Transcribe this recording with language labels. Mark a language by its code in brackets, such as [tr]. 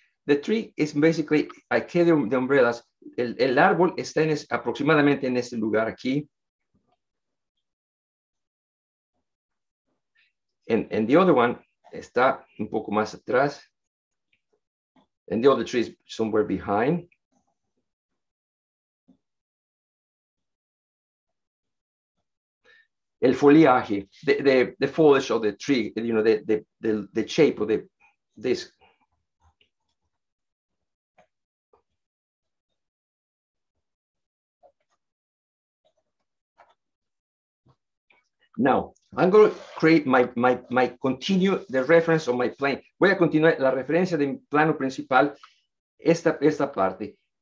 [en] The tree is basically, I carry the umbrellas. [es] El árbol está aproximadamente en este lugar aquí. [en] And the other one [es] está un poco más atrás. [en] And the other tree is somewhere behind. [es] El foliaje, [en] the foliage of the tree, you know, the shape of the disc. Now, I'm going to create my continue the reference of my plane. [es] Voy a continuar la referencia de mi plano principal, esta parte.